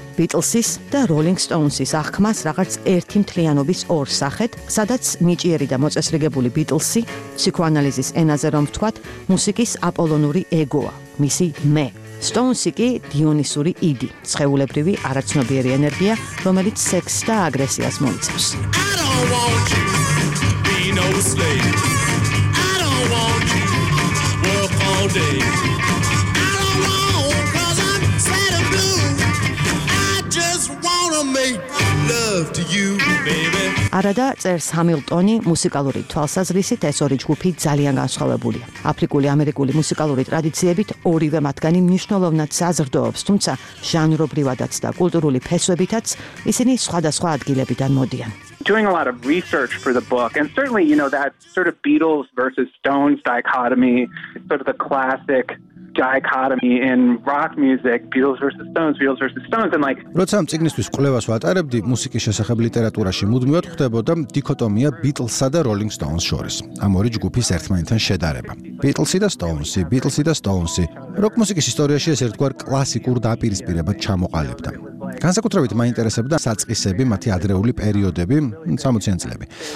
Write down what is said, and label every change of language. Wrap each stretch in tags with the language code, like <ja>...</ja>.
<ka>ბიტლსის და Rolling Stones-ის აღქმას რაღაც ერთი მთლიანობის ორ სახეთ, სადაც ნიჭიერი და მოწესრიგებული ბიტლსი, ფსიქოანალიზის ენაზე რომ ვთქვათ, მუსიკის აპოლონური ეგოა, მისი მე. Stones-ი კი დიონისური იდი, ცხეულებრივი არაცნობიერი ენერგია, რომელიც სექსს და აგრესიას მოიცავს.</ka> <en>I don't want you to be no slave. I don't want you to work all day. I don't know, 'cause I'm sad and blue. I just wanna make love. love to you, baby.</en> <ka>Арада წერს ჰამილტონი მუსიკალური თვალსაზრისით ეს ორი ჯგუფი ძალიან განსხვავებულია. აფრიკული ამერიკული მუსიკალური ტრადიციებით ორივე მათგანი მნიშვნელოვნად საზრდოობს, თუმცა ჟანრობრივადაც და კულტურული ფესვებითაც ისინი სხვადასხვა ადგილებიდან მოდიან.</ka> <en>Doing a lot of research for the book and certainly you know that sort of Beatles versus Stones dichotomy, sort of the classic dichotomy in rock music, Beatles versus Stones and like</en> <ka>როცა წიგნისთვის კვლევას ვატარებდი მუსიკის შესახებ ლიტერატურაში მუდმივად ხვდებოდა დიქოტომია Beatles-სა და Rolling Stones შორის. ამ ორი ჯგუფის ერთმანეთთან შედარება. Beatles-ი და Stones-ი. Rock მუსიკის ისტორიაში ეს ერთგვარ კლასიკურ დაპირისპირებად ჩამოყალიბდა. განსაკუთრებით მაინტერესებდა საწყისები, მათი ადრეული პერიოდები, 60-იან წლები.</ka>